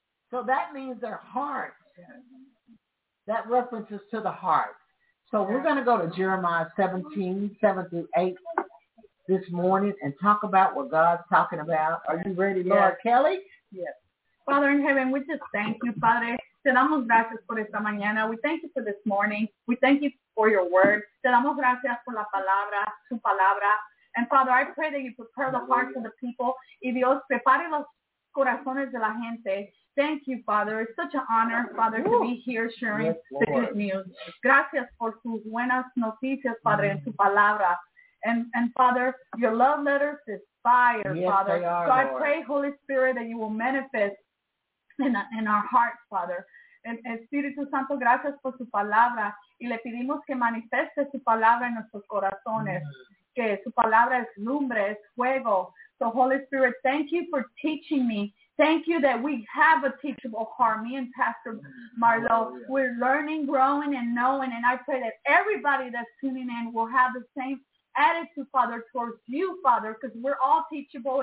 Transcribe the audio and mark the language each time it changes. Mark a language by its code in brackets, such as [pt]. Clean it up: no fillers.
[en] So that means their heart. That references to the heart. So we're going to go to Jeremiah 17, 7 through 8 this morning and talk about what God's talking about. Are you ready, Lord Kelly? Yes. Father in heaven, we just thank you, Father. [es] Te damos gracias por esta mañana. [en] We thank you for this morning. We thank you for your word. [es] Te damos gracias por la palabra, su palabra. [en] And Father, I pray that you prepare the hearts of the people. [es] Y Dios, prepare los corazones de la gente. [en] Thank you, Father. It's such an honor, Father, to be here sharing the good news. [es] Gracias por sus buenas noticias, Padre, en su palabra. [en] And Father, your love letters is fire, yes, Father. Are, so Lord. I pray, Holy Spirit, that you will manifest in our hearts, Father. [es] Espíritu Santo, gracias por su palabra. Y le pedimos que manifieste su palabra en nuestros corazones. Mm-hmm. Que su palabra es lumbre, es fuego. [en] So, Holy Spirit, thank you for teaching me. Thank you that we have a teachable heart. Me and Pastor Marlo, we're learning, growing, and knowing. And I pray that everybody that's tuning in will have the same attitude, Father, towards you, Father, because we're all teachable.